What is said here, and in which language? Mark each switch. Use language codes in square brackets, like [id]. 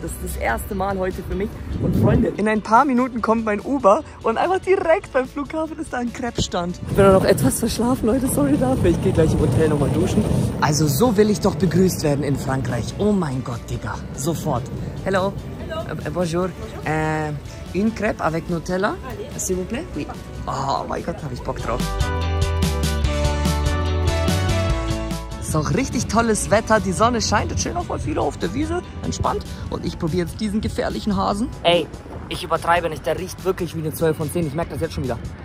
[de] Das ist das erste Mal heute für mich. Und Freunde, in ein paar Minuten kommt mein Uber und einfach direkt beim Flughafen ist da ein Crepe-Stand. Ich bin da noch etwas verschlafen, Leute, sorry dafür. Ich gehe gleich im Hotel nochmal duschen. Also so will ich doch begrüßt werden in Frankreich. Oh mein Gott, Digga, sofort. Hello. Bonjour. [fr] Une crêpe avec Nutella, s'il vous plaît. Oui. [de] Oh mein Gott, hab ich Bock drauf. Es ist auch richtig tolles Wetter. Die Sonne scheint. Jetzt chillen auch voll viele auf der Wiese. Entspannt. Und ich probiere jetzt diesen gefährlichen Hasen. Ey, ich übertreibe nicht. Der riecht wirklich wie eine 12 von 10. Ich merke das jetzt schon wieder.